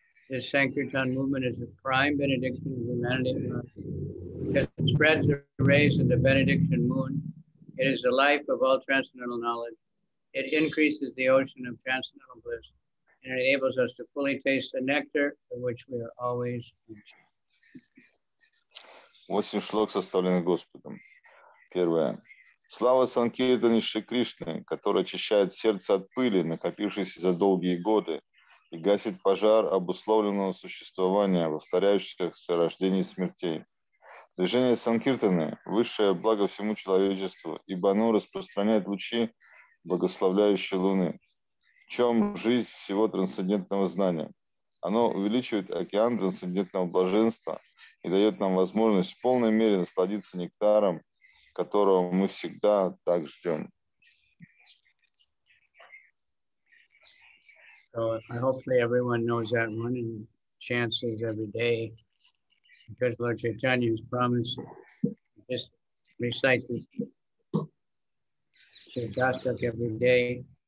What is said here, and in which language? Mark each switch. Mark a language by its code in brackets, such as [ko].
[en] This Sankirtan movement is the prime benediction of humanity because it spreads the rays of the benediction moon. It is the life of all transcendental knowledge. It increases the ocean of transcendental bliss. And it enables us to fully taste the nectar for which we are always anxious. [ru] 8 шлок, составленных Господом. Первое. Слава Санкиртане Шри Кришне, который очищает сердце от пыли, накопившейся за долгие годы, и гасит пожар обусловленного существования, повторяющихся рождений и смертей. Движение Санкиртаны – высшее благо всему человечеству, ибо оно распространяет лучи, благословляющие луны. В чем жизнь всего трансцендентного знания? Оно увеличивает океан трансцендентного блаженства и дает нам возможность в полной мере насладиться нектаром, которого мы всегда так ждем. [en] So hopefully everyone knows that one and chances every day. Because Lord Chaitanya has promised just recite this to Dastak every day.